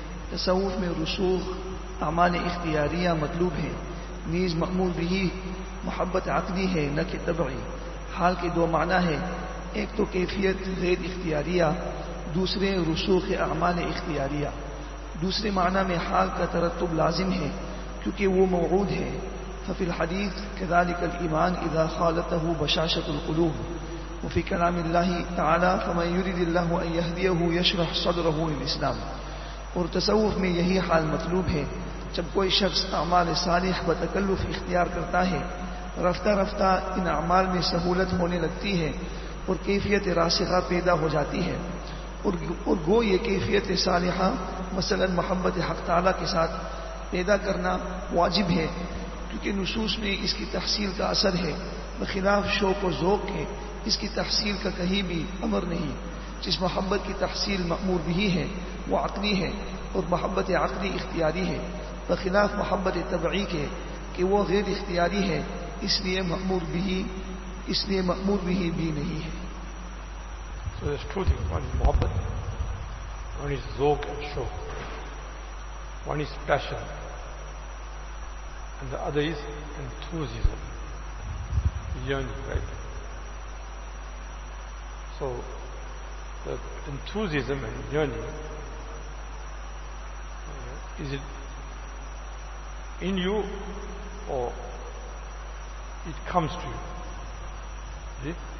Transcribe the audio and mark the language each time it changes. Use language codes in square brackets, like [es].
[ur] تصوف میں رسوخ اعمال اختیاریہ مطلوب ہیں, نیز مأمور بھی محبت عقدی ہے نہ کہ طبعی. حال کے دو معنی ہیں, ایک تو کیفیت غیر اختیاریہ, دوسرے رسوخ اعمال اختیاریہ. دوسرے معنی میں حال کا ترتب لازم ہے کیونکہ وہ موعود ہے. [ar] ففی الحدیث کذالک الایمان اذا خالطه بشاشة القلوب, وفي كلام الله تعالى فمن يريد الله ان يهديه يشرح صدره للاسلام. [ur] اور تصوف میں یہی حال مطلوب ہے, جب کوئی شخص اعمال صالح بتکلف اختیار کرتا ہے, رفتہ رفتہ ان اعمال میں سہولت ہونے لگتی ہے اور کیفیت راسخہ پیدا ہو جاتی ہے, اور گو یہ کیفیت صالحہ مثلا محبت حق تعالیٰ کے ساتھ پیدا کرنا واجب ہے, کیونکہ نصوص میں اس کی تحصیل کا اثر ہے, بخلاف شوق و ذوق کے اس کی تحصیل کا کہیں بھی امر نہیں. جس محبت کی تحصیل مأمور بھی ہے وہ عقلی ہے, اور محبت عقلی اختیاری ہے, بخلاف محبت طبعی کے کہ وہ غیر اختیاری ہے, اس لیے مأمور بھی بھی نہیں ہے. [en] So there's two things. One is محبت, one is ذوق and شوق, one is passion and the other is enthusiasm, yearning, right? So the enthusiasm and yearning, is it in you or it comes to you?